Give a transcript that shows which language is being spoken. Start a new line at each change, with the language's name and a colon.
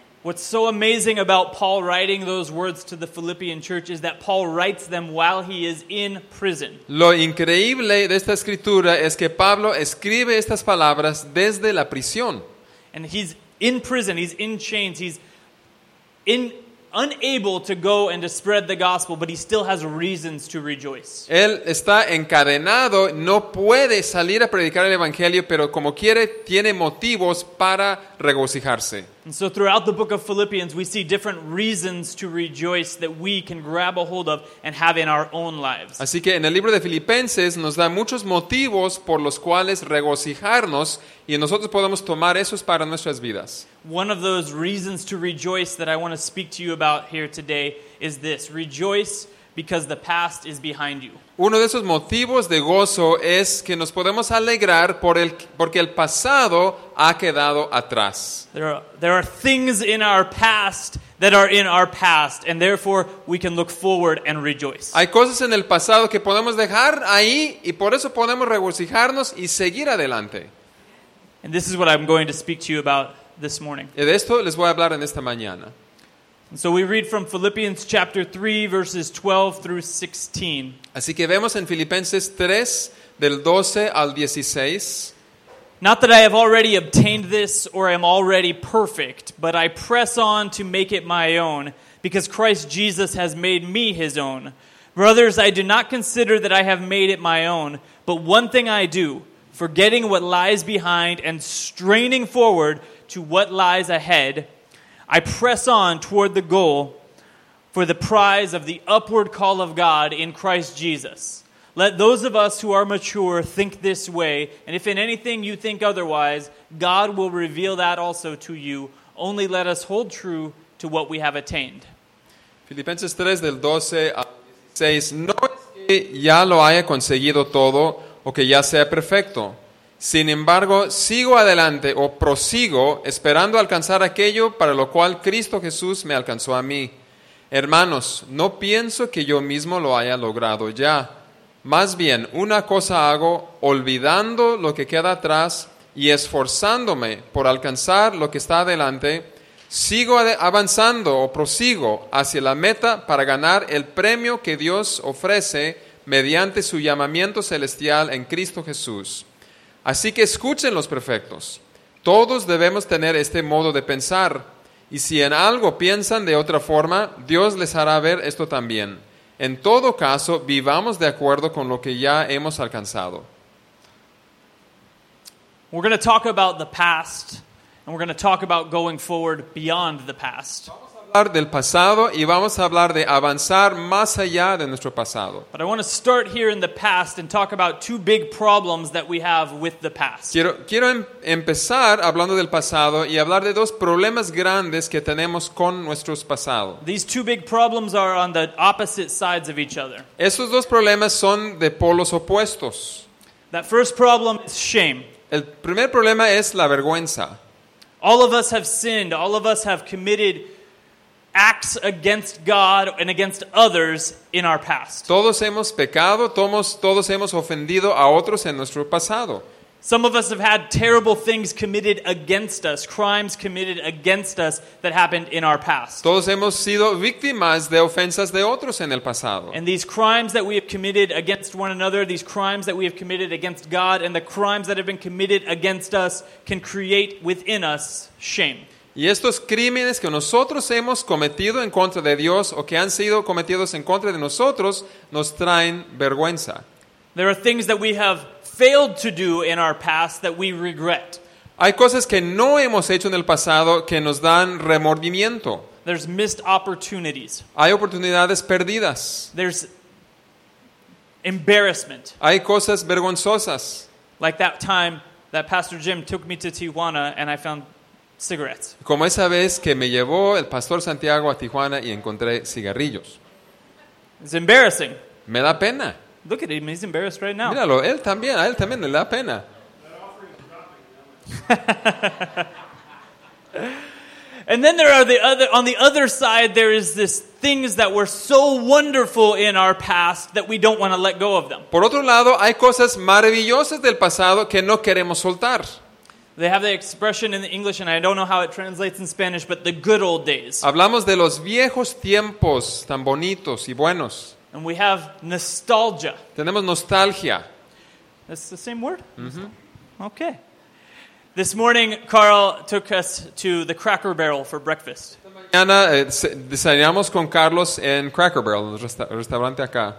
English: What's so amazing about Paul writing those words to the Philippian church is that Paul writes them while he is in prison.
Spanish: Lo increíble de esta escritura es que Pablo escribe estas palabras desde la prisión.
English: And he's in prison, he's in chains, he's in unable to go and to spread the gospel, but he still has reasons to rejoice.
Spanish: Él está encadenado, no puede salir a predicar el evangelio, pero como quiere, tiene motivos para regocijarse.
English: And so throughout the book of Philippians, we see different reasons to rejoice that we can grab a hold of and have in our own lives.
Spanish: Así que en el libro de Filipenses nos da muchos motivos por los cuales regocijarnos y nosotros podemos tomar esos para nuestras vidas.
English: One of those reasons to rejoice that I want to speak to you about here today is this: rejoice because the past is behind you.
Spanish: Uno de esos motivos de gozo es que nos podemos alegrar porque el pasado ha quedado atrás.
English: There are things in our past that are in our past, and therefore we can look forward and rejoice.
Spanish: Hay cosas en el pasado que podemos dejar ahí y por eso podemos regocijarnos y seguir adelante.
English: And this is what I'm going to speak to you about this morning.
Spanish: Y de esto les voy a hablar en esta mañana.
English: And so we read from Philippians chapter 3, verses 12 through 16.
Spanish: Así que vemos en Filipenses 3, del 12 al 16.
English: Not that I have already obtained this or am already perfect, but I press on to make it my own, because Christ Jesus has made me his own. Brothers, I do not consider that I have made it my own, but one thing I do, forgetting what lies behind and straining forward to what lies ahead, I press on toward the goal for the prize of the upward call of God in Christ Jesus. Let those of us who are mature think this way, and if in anything you think otherwise, God will reveal that also to you. Only let us hold true to what we have attained.
Spanish: Filipenses 3, del 12 al 16. No es que ya lo haya conseguido todo o que ya sea perfecto. Sin embargo, sigo adelante o prosigo esperando alcanzar aquello para lo cual Cristo Jesús me alcanzó a mí. Hermanos, no pienso que yo mismo lo haya logrado ya. Más bien, una cosa hago, olvidando lo que queda atrás y esforzándome por alcanzar lo que está adelante, sigo avanzando o prosigo hacia la meta para ganar el premio que Dios ofrece mediante su llamamiento celestial en Cristo Jesús. Así que escuchen los perfectos. Todos debemos tener este modo de pensar. Y si en algo piensan de otra forma, Dios les hará ver esto también. En todo caso, vivamos de acuerdo con lo que ya hemos alcanzado.
English: We're going to talk about the past, and we're going to talk about going forward beyond the past.
Spanish: Vamos a hablar del pasado y vamos a hablar de avanzar más allá de nuestro pasado.
English: But I want to start here in the past and talk about two big problems that we have with the past.
Spanish: Quiero empezar hablando del pasado y hablar de dos problemas grandes que tenemos con nuestros pasados.
English: These two big problems are on the opposite sides of each other.
Spanish: Esos dos problemas son de polos opuestos.
English: That first problem is shame.
Spanish: El primer problema es la vergüenza.
English: All of us have sinned. All of us have committed acts against God and against others in our past.
Spanish: Todos hemos pecado, todos hemos ofendido a otros en nuestro pasado.
English: Some of us have had terrible things committed against us, crimes committed against us that happened in our past.
Spanish: Todos hemos sido víctimas de ofensas de otros en el pasado.
English: And these crimes that we have committed against one another, these crimes that we have committed against God, and the crimes that have been committed against us can create within us shame.
Spanish: Y estos crímenes que nosotros hemos cometido en contra de Dios o que han sido cometidos en contra de nosotros nos traen vergüenza.
English: There are things that we have failed to do in our past that we regret.
Spanish: Hay cosas que no hemos hecho en el pasado que nos dan remordimiento.
English: There's missed opportunities.
Spanish: Hay oportunidades perdidas.
English: There's embarrassment.
Spanish: Hay cosas vergonzosas.
English: Like that time that Pastor Jim took me to Tijuana and I found cigarettes.
Spanish: Como esa vez que me llevó el Pastor Santiago a Tijuana y encontré cigarrillos.
English: It's embarrassing.
Spanish: Me da pena.
English: Look at him, he's embarrassed right now.
Spanish: Míralo, él también, a él también le da pena.
English: And then there are the other, on the other side, there is this things that were so wonderful in our past that we don't want to let go of them.
Spanish: Por otro lado, hay cosas maravillosas del pasado que no queremos soltar.
English: They have the expression in the English, and I don't know how it translates in Spanish, but the good old days.
Spanish: Hablamos de los viejos tiempos tan bonitos y buenos.
English: And we have nostalgia.
Spanish: Tenemos nostalgia.
English: That's the same word? Mm-hmm. Okay. This morning, Carl took us to the Cracker Barrel for breakfast.
Spanish: Mañana desayunamos con Carlos en Cracker Barrel, el restaurante acá.